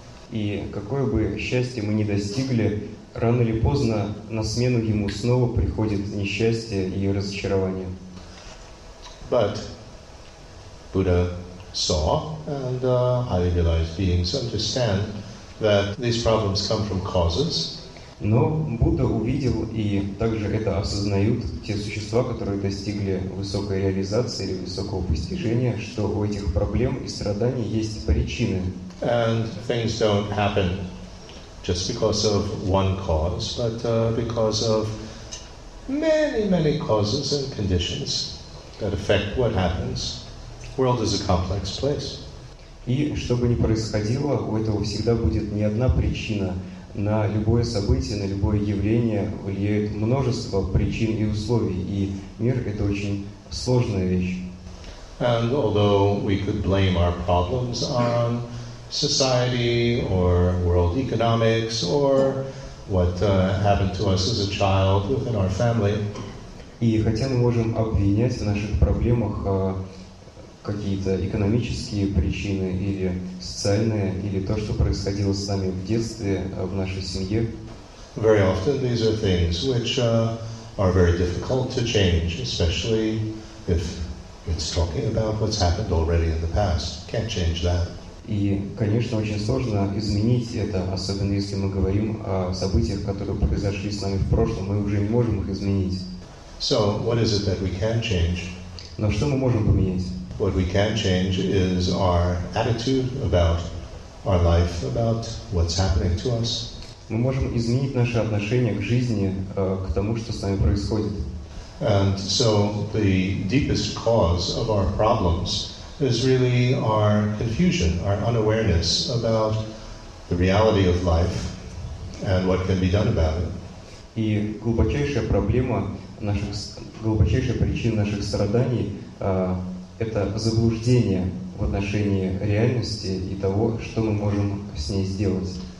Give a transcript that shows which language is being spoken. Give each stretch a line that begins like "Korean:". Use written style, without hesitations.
Russian: И какое бы счастье мы ни достигли, рано или поздно на смену ему снова приходит несчастье и разочарование.
English: But Buddha saw, and highly realized beings understand that these problems come from causes.
Russian: Но Будда увидел и также это осознают те существа, которые достигли высокой реализации или высокого постижения, что у этих проблем и страданий есть причины.
English: And things don't happen just because of one cause, but because of many, many causes and conditions that affect what happens. The world is a complex place.
Russian: И что бы ни происходило, у этого всегда будет не одна причина. На любое событие, на любое явление влияет множество причин и условий, и мир — это очень сложная вещь.
English: And although we could blame our problems on society or world economics or what happened to us as a child within our family,
Russian: и хотя мы можем обвинять в наших проблемах какие-то экономические причины или социальные, или то, что происходило с нами в детстве, в нашей семье.
English: Very often these are things which are very difficult to change, especially if it's talking about what's happened already in the past. Can't change that.
Russian: И, конечно, очень сложно изменить это, особенно если мы говорим о событиях, которые произошли с нами в прошлом, мы уже не можем их изменить.
English: So, what is it that we can change?
Russian: Но что мы можем поменять?
English: What we can change is our attitude about our life, about what's happening to us.
Russian: Мы можем изменить наше отношение к жизни, к тому, что с нами происходит.
English: And so, the deepest cause of our problems is really our confusion, our unawareness about the reality of life and what can be done about it.
Russian: И глубочайшая проблема наших, глубочайшая причина наших страданий это заблуждение в отношении реальности и того, что мы можем с ней сделать.